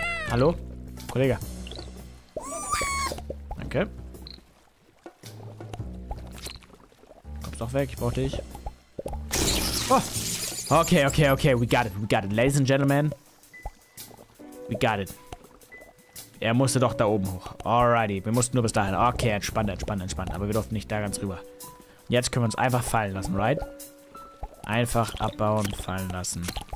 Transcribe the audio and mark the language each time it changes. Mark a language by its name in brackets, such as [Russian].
[German] Hallo? Kollege. Danke. Kommst doch weg, ich brauch dich. Oh. [English] Okay, okay, okay, we got it, we got it. Ladies and gentlemen, we got it. [German] Er musste doch da oben hoch. Alrighty, wir mussten nur bis dahin. Okay, entspannt, entspannt, entspannt. Aber wir durften nicht da ganz rüber. Jetzt können wir uns einfach fallen lassen, right? Einfach abbauen, fallen lassen.